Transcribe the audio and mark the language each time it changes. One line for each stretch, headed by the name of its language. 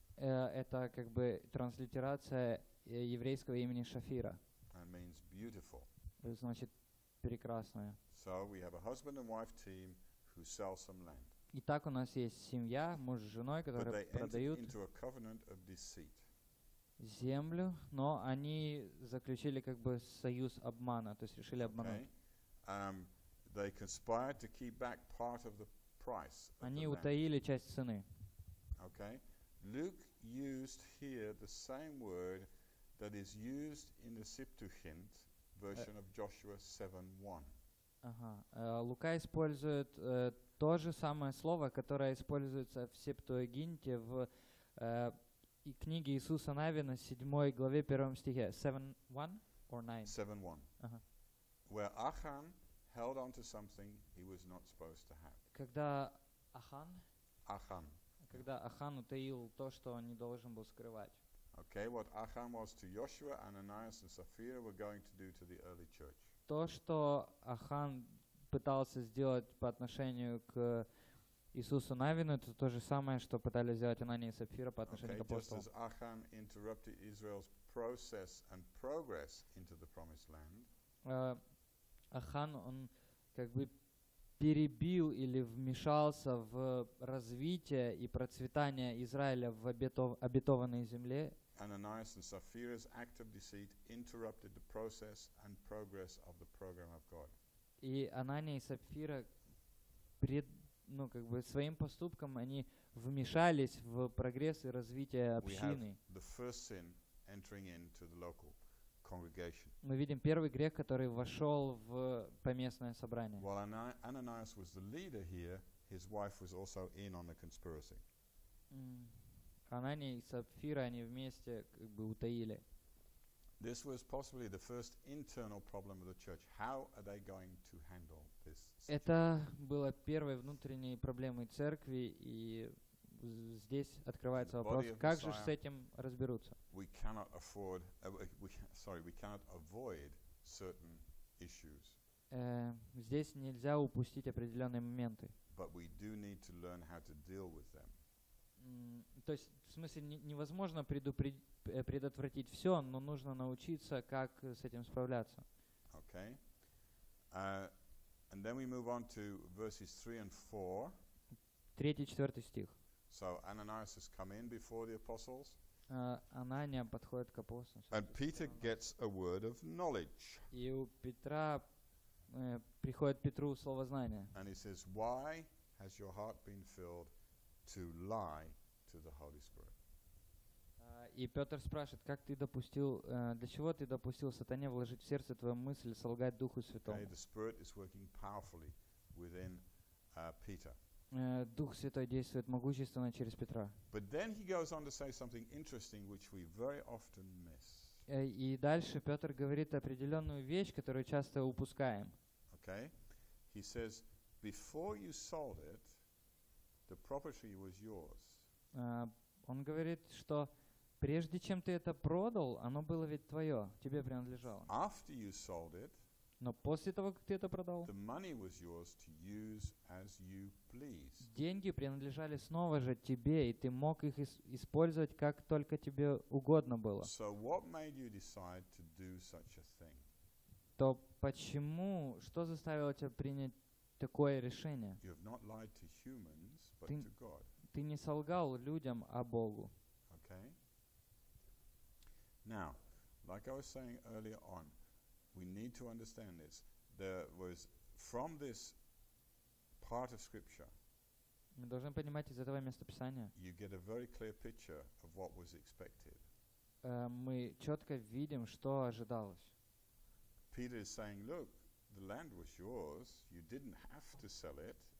Russian: Это как бы транслитерация еврейского имени Шафира.
English: And means beautiful.
Russian: Значит, прекрасное.
English: So we have a husband and wife team who sell some land.
Russian: Итак, у нас есть семья, муж с женой, которые продают
English: into a covenant of deceit.
Russian: Землю, но они заключили как бы союз обмана, то есть решили обмануть.
English: Okay. They conspired to keep back part of the price.
Russian: Они утаили часть цены.
English: Okay. Luke used here the same word that is used in the Septuagint version of Joshua 7:1.
Russian: Лука использует то же самое слово, которое используется в Септуагинте в книге Иисуса Навина, 7 главе, 1 стихе.
English: 7:1 or 9? 7:1. Where Achan held on to something he was not supposed to have.
Russian: Когда Ахан? Ахан. Когда Ахан утаил то, что он не должен был скрывать.
English: Okay, what Achan was to Joshua, Ananias and Sapphira were going to do to the early church.
Russian: То, что Ахан пытался сделать по отношению к Иисусу Навину, это то же самое, что пытались сделать Анания и Сапфира по отношению
English: okay,
Russian: к апостолам.
English: Just as Achan interrupted Israel's process and progress into the promised land.
Russian: Ахан, он как бы перебил или вмешался в развитие и процветание Израиля в обетованной земле.
English: Ananias and Sapphira's act of deceit interrupted the process and progress of the program of God.
Russian: И Анания и Сапфира ну, как бы своим поступком они вмешались в прогресс и развитие общины.
English: We have the first sin entering into the local congregation.
Russian: Мы видим первый грех, который вошел в поместное собрание.
English: While Ananias was the leader here, his wife was also in on the conspiracy.
Russian: Анания и Сапфира, они вместе как бы утаили.
English: This was possibly the first internal problem of the church. How are they going to handle this situation?
Russian: Это было первой внутренней проблемой церкви, и здесь открывается вопрос, как же с этим разберутся?
English: We cannot afford, we cannot avoid certain issues.
Russian: Здесь нельзя упустить определенные моменты.
English: But we do need to learn how to deal with them.
Russian: То есть, в смысле, невозможно предотвратить все, но нужно научиться, как с этим справляться.
English: Okay. And then we move on to verses 3 and 4.
Russian: Третий, четвертый стих.
English: So Ananias has come in before the apostles.
Russian: Анания подходит к апостолам.
English: And Peter gets a word of knowledge.
Russian: И у Петра приходит Петру слово знания.
English: And he says, "Why has your heart been filled to lie to the Holy Spirit?"
Russian: И Петр спрашивает, как ты допустил, для чего ты допустил сатане вложить в сердце твою мысль солгать Духу Святому?
English: Okay, the Spirit is working powerfully within Peter.
Russian: Дух Святой действует могущественно через Петра.
English: But then he goes on to say something interesting, which we very often miss.
Russian: И дальше Петр говорит определенную вещь, которую часто упускаем.
English: Okay, he says, before you sold it, the property was yours.
Russian: Он говорит, что прежде чем ты это продал, оно было ведь твое, тебе принадлежало.
English: After you sold it,
Russian: но после того, как ты это продал,
English: the money was yours to use as you pleased.
Russian: Деньги принадлежали снова же тебе, и ты мог их использовать, как только тебе угодно было.
English: So what made you decide to do such a thing?
Russian: То почему, что заставило тебя принять такое решение?
English: You have not lied to humans, but to God.
Russian: Ты не солгал людям, а Богу.
English: Okay. Now, like I was saying earlier on, we need to understand this. There was, from this part of Scripture,
Russian: Мы должны понимать из этого места Писания.
English: You get a very clear picture of what was expected.
Russian: Мы четко видим, что ожидалось.
English: Peter is saying, look, the land was yours, you didn't have to sell it.